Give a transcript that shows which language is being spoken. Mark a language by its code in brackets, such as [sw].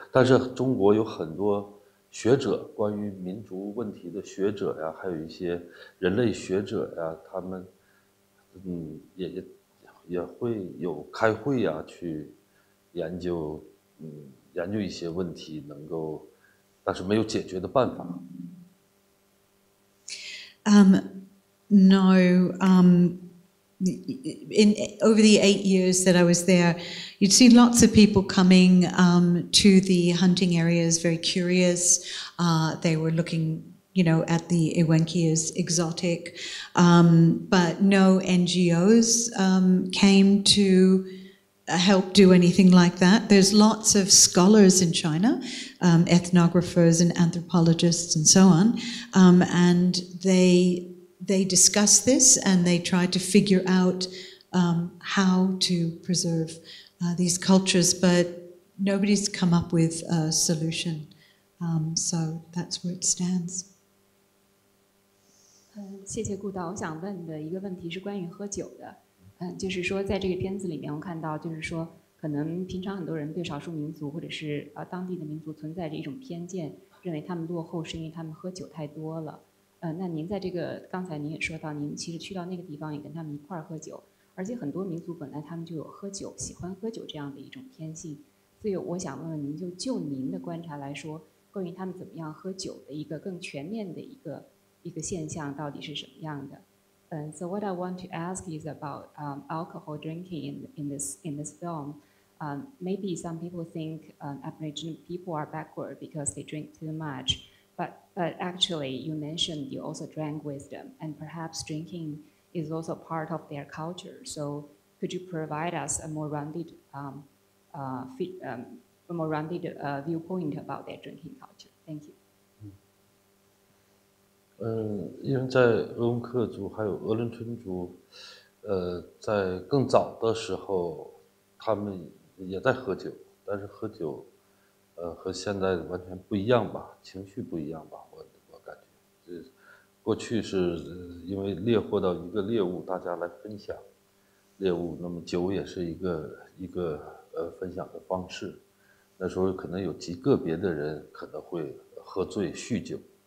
[zh] 但是中国有很多学者，关于民族问题的学者呀，还有一些人类学者呀，他们，也会有开会呀，去研究，研究一些问题，能够，但是没有解决的办法。 [en] No. In over the 8 years that I was there, you'd see lots of people coming to the hunting areas, very curious. They were looking, you know, at the Ewenki as exotic. But no NGOs came to help do anything like that. There's lots of scholars in China, ethnographers and anthropologists and so on, and they discuss this and they try to figure out how to preserve these cultures, but nobody's come up with a solution. So that's where it stands. [zh] 谢谢顾导，我想问的一个问题是关于喝酒的。就是说在这个片子里面我看到，就是说可能平常很多人对少数民族或者是当地的民族存在着一种偏见，认为他们落后是因为他们喝酒太多了。那您在这个刚才您也说到，您其实去到那个地方也跟他们一块儿喝酒，而且很多民族本来他们就有喝酒喜欢喝酒这样的一种偏性。所以我想问问您，就您的观察来说，关于他们怎么样喝酒的一个更全面的一个现象到底是什么样的。 [en] So what I want to ask is about alcohol drinking in this film. Maybe some people think Aboriginal people are backward because they drink too much, but actually you mentioned you also drank with them, and perhaps drinking is also part of their culture. So could you provide us a more rounded viewpoint about their drinking culture? Thank you. [zh] 因为在鄂温克族还有鄂伦春族，在更早的时候，他们也在喝酒，但是喝酒，和现在完全不一样吧，情绪不一样吧，我感觉，这过去是因为猎获到一个猎物，大家来分享猎物，那么酒也是一个分享的方式，那时候可能有极个别的人可能会喝醉酗酒。